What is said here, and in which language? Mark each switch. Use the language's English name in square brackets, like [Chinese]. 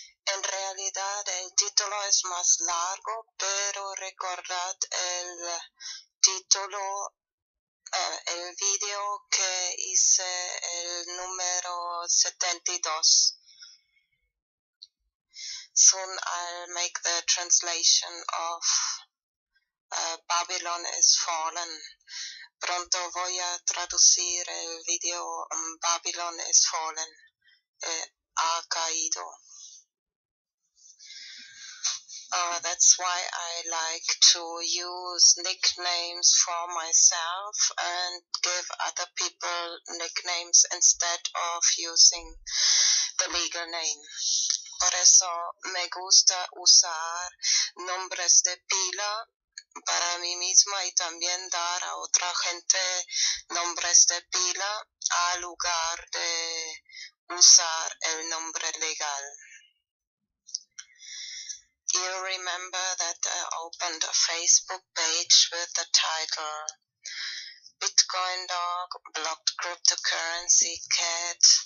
[Spanish] En realidad el título es más largo, pero recordad el título, el video que hice el número 72. [English] Soon I'll make the translation of Babylon is Fallen. [Spanish] Pronto voy a traducir el video Babylon is Fallen. Ha caído. [English] That's why I like to use nicknames for myself and give other people nicknames instead of using the legal name. [Spanish] Por eso me gusta usar nombres de pila para mí misma y también dar a otra gente nombres de pila al lugar de usar el nombre legal. [English] You remember that I opened a Facebook page with the title Bitcoin Dog Blocked Cryptocurrency Cat.